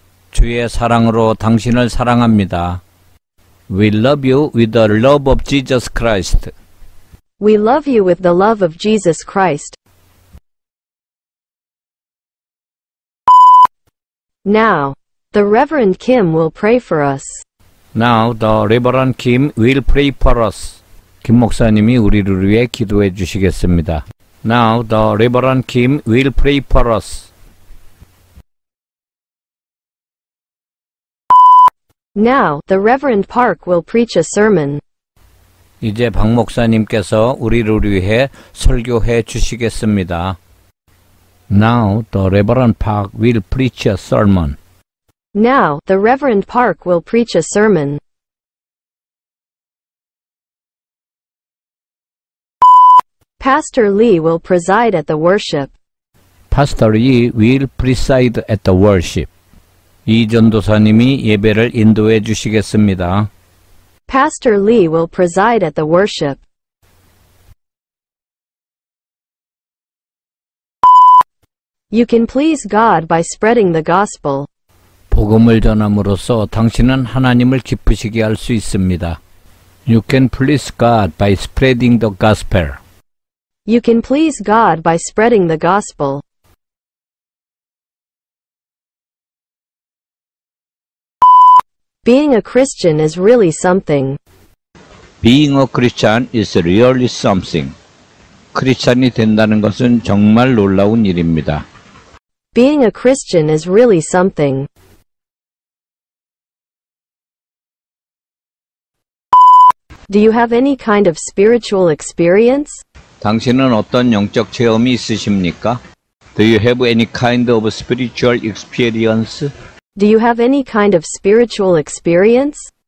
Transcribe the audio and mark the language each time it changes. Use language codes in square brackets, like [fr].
[ko] 주의 사랑으로 당신을 사랑합니다. [en] We love you with the love of Jesus Christ. We love you with the love of Jesus Christ. Now, the Reverend Kim will pray for us. Now, the Reverend Kim will pray for us. [ko] 김 목사님이 우리를 위해 기도해 주시겠습니다. [en] Now, the Reverend Kim will pray for us. Now, the Reverend Park will preach a sermon. [ko] 이제 박 목사님께서 우리를 위해 설교해 주시겠습니다. [en] Now, the Reverend Park will preach a sermon. Now, the Reverend Park will preach a sermon. Pastor Lee will preside at the worship. Pastor Lee will preside at the worship. [ko] 이 전도사님이 예배를 인도해 주시겠습니다. [en] Pastor Lee will preside at the worship. You can please God by spreading the gospel. [ko] 복음을 전함으로써 당신은 하나님을 기쁘시게 할 수 있습니다. [en] You can please God by spreading the gospel. You can please God by spreading the gospel. Being a Christian is really something. Being a Christian is really something. [ko] 크리스천이 된다는 것은 정말 놀라운 일입니다. [en] Being a Christian is really something. Do you have any kind of spiritual experience? [ko] 당신은 어떤 영적 체험이 있으십니까? [en] Do you have any kind of spiritual experience? Do you have any kind of spiritual experience?